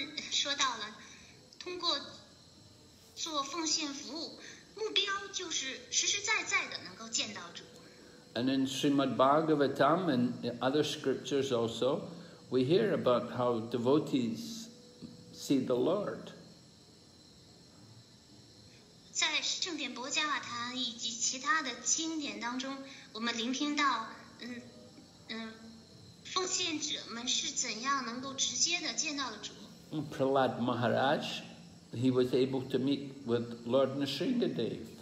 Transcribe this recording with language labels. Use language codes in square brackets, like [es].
[zh] 说到了，通过做奉献服务，目标就是实实在在的能够见到主。 [en] And in Srimad Bhagavatam and other scriptures also, we hear about how devotees see the Lord. [zh] 在圣典博迦瓦坛以及其他的经典当中，我们聆听到，奉献者们是怎样能够直接的见到主。 [en] Prahlad Maharaj, he was able to meet with Lord Nrsingadev.